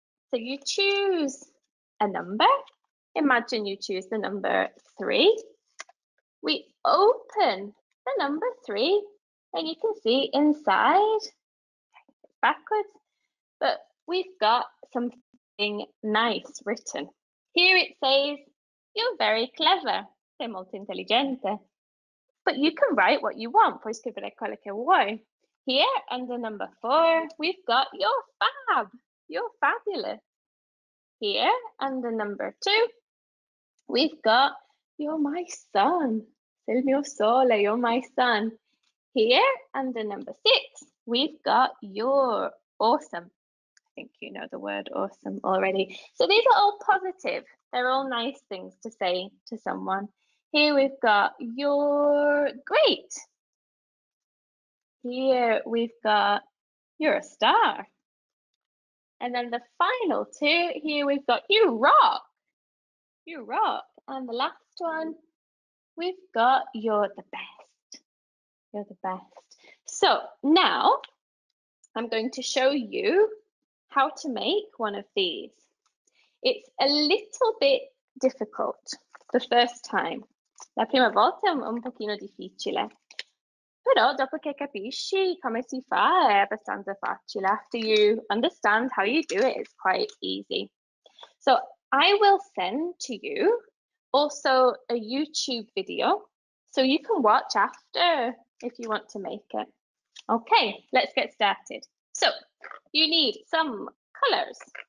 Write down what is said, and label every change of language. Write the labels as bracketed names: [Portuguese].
[English] So you choose a number. Imagine you choose the number 3. We open the number 3, and you can see inside, backwards, but we've got something nice written. Here it says, you're very clever, [Italian] sei molto intelligente. [English] But you can write what you want, [Italian] puoi scrivere quello che vuoi. [English] Here, under number 4, we've got, you're fab, you're fabulous. Here, under number 2, we've got, you're my son, [Italian] il mio sole, [English] you're my son. Here, under number 6, we've got, you're awesome. I think you know the word awesome already. So these are all positive. They're all nice things to say to someone. Here we've got, you're great. Here we've got, you're a star. And then the final two, here we've got, you rock. You rock. And the last one, we've got, you're the best. You're the best. So now I'm going to show you how to make one of these. It's a little bit difficult the first time. [Italian] La prima volta è un pochino difficile. Però dopo che capisci come si fa è abbastanza facile. [English] After you understand how you do it, it's quite easy. So I will send to you also a YouTube video so you can watch after if you want to make it. Okay, let's get started. So you need some colors.